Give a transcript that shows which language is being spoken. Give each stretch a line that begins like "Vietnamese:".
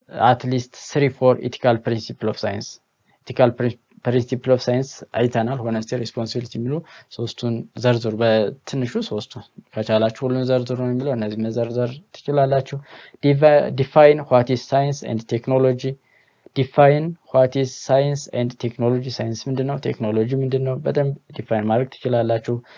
English: At least 3-4 ethical principles of science. Ethical principles of science
Amharic: አይተናል. Honesty, responsibility ምሉ ሶስቱን ዘርዝሩ በትንሹ ሶስቱን ከቻላችሁ ሁሉን ዘርዝሩ ነው የሚለው. እነዚህ መዘርዘር ትችላላችሁ.
English: Define what is science and technology. Define what is science and technology.
Amharic: Science ምንድነው? Technology ምንድነው? በደንብ define ማድረግ ትችላላችሁ.